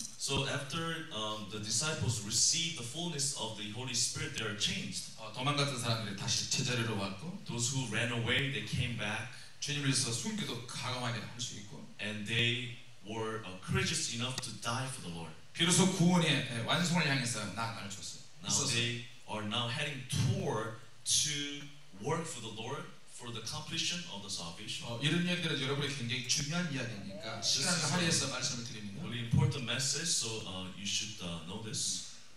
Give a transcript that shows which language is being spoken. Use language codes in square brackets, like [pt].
[en] So after the disciples received the fullness of the Holy Spirit, they are changed. [ko] 도망 같은 사람들이 다시 제자리로 왔고, [en] those who ran away, they came back. [ko] 주님을 위해서 순교도 가감하게 할 수 있고, [en] and they were courageous enough to die for the Lord. [ko] 비로소 구원의 완성을 향해서 나아갈 줬어요. [en] Now they are now heading toward to work for the Lord. For the completion of the salvation. [ko] 이런 이야기들은 여러분이 굉장히 중요한 이야기니까 시간을 할애해서 말씀을 드립니다. [en] Really important message, so you should know this.